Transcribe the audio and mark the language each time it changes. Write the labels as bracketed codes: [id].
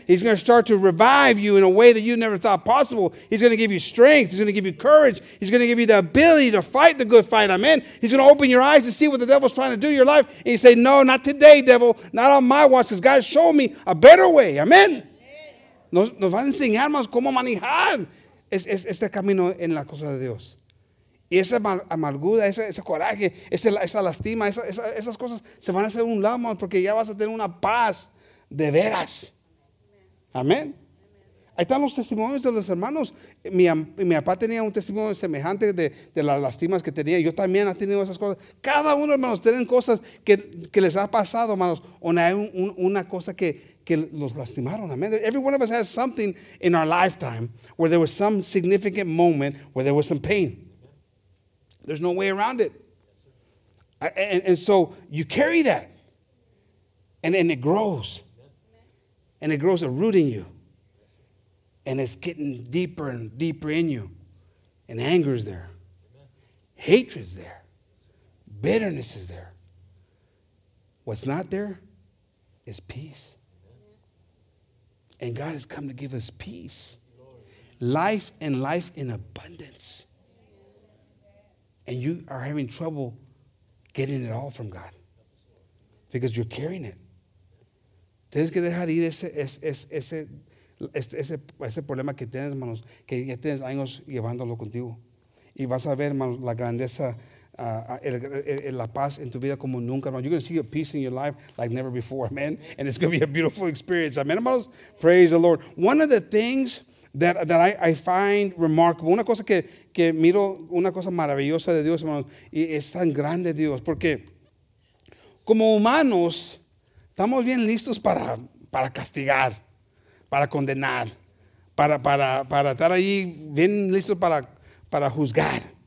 [en] He's going to start to revive you in a way that you never thought possible. He's going to give you strength. He's going to give you courage. He's going to give you the ability to fight the good fight. Amen. He's going to open your eyes to see what the devil's trying to do in your life. And you say, no, not today, devil. Not on my watch, because God showed me a better way. Amen. [es] Nos va a enseñar, hermanos, cómo manejar este camino en la cosa de Dios. Y esa amargura, ese coraje, esa lastima, esas cosas se van a hacer un lado, hermanos, porque ya vas a tener una paz de veras. Amén. Ahí están los testimonios de los hermanos. Mi papá tenía un testimonio semejante de las lastimas que tenía. Yo también he tenido esas cosas. Cada uno, hermanos, tienen cosas que les ha pasado, hermanos, o hay una cosa que los lastimaron. [en] Amen. Every one of us has something in our lifetime where there was some significant moment where there was some pain. There's no way around it. And so you carry that. And it grows. And it grows a root in you. And it's getting deeper and deeper in you. And anger is there. Hatred is there. Bitterness is there. What's not there is peace. And God has come to give us peace, life, and life in abundance. And you are having trouble getting it all from God because you're carrying it. [es] Tienes que dejar ir ese problema que tienes, hermanos, que ya tienes años llevándolo contigo. Y vas a ver, hermanos, la grandeza, la paz en tu vida como nunca, hermanos. [en] You're going to see a peace in your life like never before, amen. And it's going to be a beautiful experience, amen, hermanos. Praise the Lord. One of the things that I find remarkable, [es] una cosa que miro, una cosa maravillosa de Dios, hermanos, y es tan grande Dios, porque como humanos estamos bien listos para castigar, para condenar, para estar ahí bien listos para juzgar.